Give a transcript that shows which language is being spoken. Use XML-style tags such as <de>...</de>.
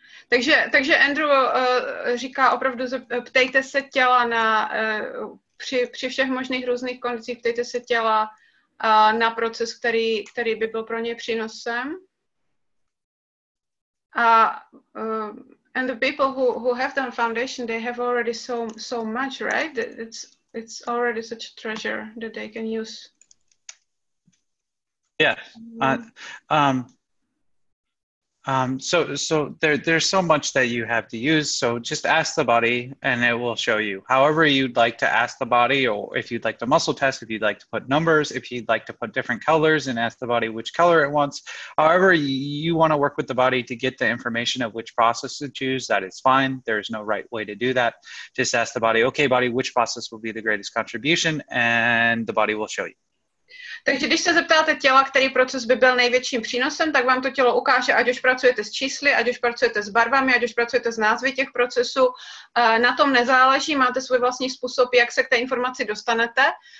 <cs>Takže Andrew říká opravdu, ptejte se těla na při všech možných různých kondicích, ptejte se těla na proces, který by byl pro ně přínosem.</cs> <en>And the people who have done foundation, they have already so much, right? It's already such a treasure that they can use. Yes. So there's so much that you have to use. So just ask the body and it will show you. However you'd like to ask the body, or if you'd like to muscle test, if you'd like to put numbers, if you'd like to put different colors and ask the body which color it wants. However you want to work with the body to get the information of which process to choose, that is fine. There is no right way to do that. Just ask the body, okay, body, which process will be the greatest contribution? And the body will show you.</en> <cs>Takže když se zeptáte těla, který proces by byl největším přínosem, tak vám to tělo ukáže, ať už pracujete s čísly, ať už pracujete s barvami, ať už pracujete s názvy těch procesů. Na tom nezáleží, máte svůj vlastní způsob, jak se k té informaci dostanete.</cs>